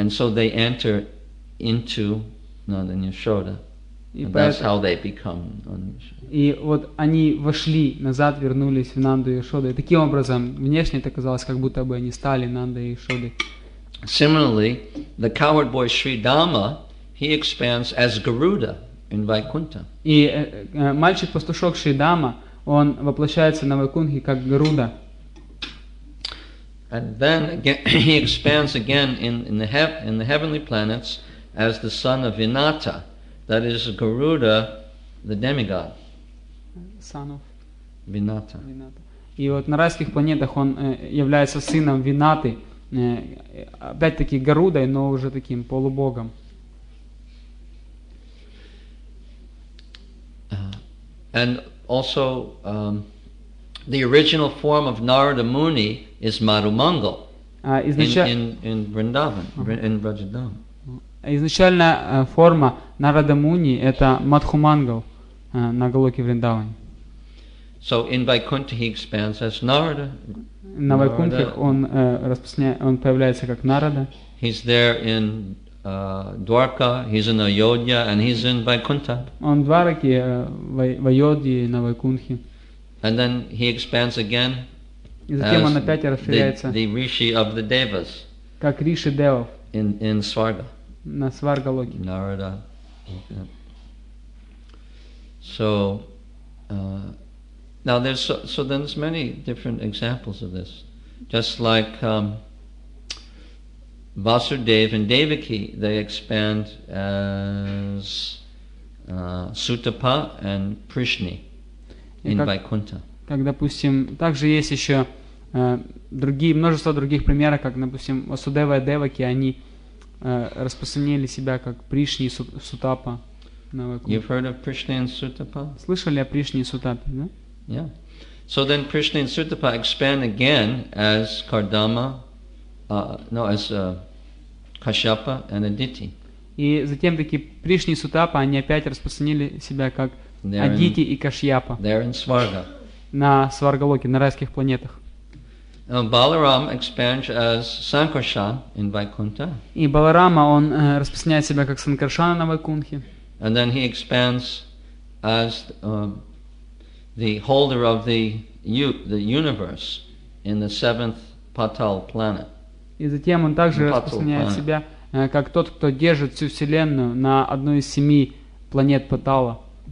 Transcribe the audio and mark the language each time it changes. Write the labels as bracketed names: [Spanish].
[English] And so they enter into Nanda and Yashoda. And that's how they become Nanda and Yashoda. [Russian] И вот они вошли назад, вернулись в Нанду и Яшоду. Таким образом, внешне это казалось, как будто бы они стали Нандой и Яшодой. [English] Similarly, the coward boy Sri Dama, he expands as Garuda in Vaikuntha. [Russian] И мальчик-пастушок Шри Дама, он воплощается на Вайкунхе как Гаруда. [English] And then again, he expands again in the heavenly planets as the son of Vinata, that is Garuda, the demigod. [Russian] Вината. И вот на райских планетах он является сыном Винаты, опять-таки Гарудой, но уже таким полубогом. [English] And also the original form of Narada Muni is Marumangal in Vrindavan, in Vrajadam. [Russian] Изначально форма Нарада Муни это Мадхумангал на Галоке Вриндаване. [English] So in Vaikuntha he expands as Narada. [Russian] На Вайкунтхе он распространяется, он появляется как Нарада. [English] He's there in Dwarka, he's in Ayodhya, and he's in Vaikuntha. [Russian] Он в Двараке, в Айодхе, на Вайкунтхе. [English] And then he expands again. [Russian] И затем он опять расширяется. [English] The Rishi of the Devas. [Russian] Как Риши Девов. [English] In Сварга. [Russian] На Сваргалоке. Нарада. [English] So. Now there's so then there's many different examples of this, just like Vasudeva and Devaki, they expand as Sutapa and Prishni in Vaikuntha. [Russian] Как допустим, также есть еще другие множество других примеров, как допустим Васудева и Деваки, они распространили себя как Пришни и Сутапа на Вайкунтхе. [English] You've heard of Prishni and Sutapa? [Russian] Слышали о Пришни и Сутапе, да? [English] Yeah. So then Prishni and Sutapa expand again as Kardama, Kashyapa and Aditi. [Russian] И затем такие Прishni и Сутапа, они опять распространили себя как Адити и Кашьяпа. [English] They're in Сварга. [Russian] На Сваргалоке, на райских планетах. [English] Balaram expands as Sankarshan in Vaikuntha. [Russian] И Баларама, он распространяет себя как Санкаршана на Вайкунтхе. [English] And then he expands as the holder of the universe in the seventh Patal planet. [Russian] И затем он также распространяет себя как тот, кто держит всю вселенную на одной из семи планет Патала.